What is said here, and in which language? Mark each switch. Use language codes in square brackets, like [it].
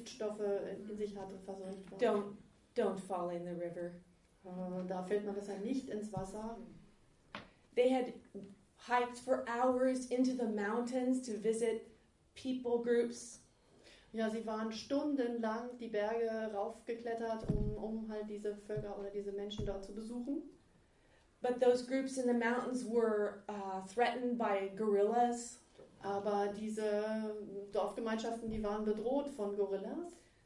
[de] Giftstoffe in sich hatte, versorgt war. [en] Don't fall in the river. [de] Da fällt man besser nicht ins Wasser. [en] They had hiked for hours into the mountains to visit people groups. [de] Ja, sie waren stundenlang die Berge raufgeklettert, um halt diese Völker oder diese Menschen dort zu besuchen. [en] But those groups in the mountains were threatened by gorillas. [de] Aber diese Dorfgemeinschaften, die waren bedroht von Gorillas.